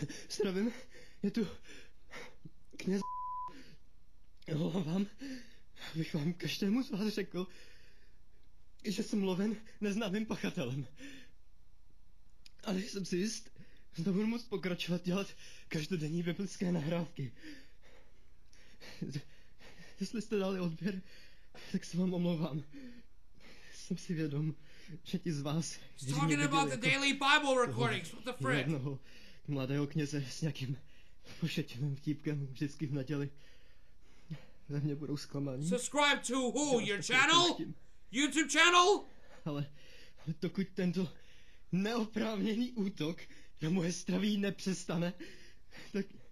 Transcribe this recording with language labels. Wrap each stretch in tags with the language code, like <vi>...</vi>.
<cs>Zdravím, je tu kněz Lovám, abych vám každému z vás řekl, že jsem loven neznámým pachatelem. A než jsem si jist, znovu budu moct pokračovat dělat každodenní biblické nahrávky. Jestli jste dali odběr, tak se vám omlouvám. Jsem si vědom, že ti z vás...</cs> <en>He's talking about the daily Bible recordings, what the frick?</en> <cs>...jednoho mladého kněze s nějakým pošetilým vtípkem vždycky v neděli. Ve mně budou zklamaní.</cs> <en>Subscribe to who? Your channel? YouTube channel?</en> <cs>Ale dokud tento neoprávněný útok na moje zdraví nepřestane, tak...</cs>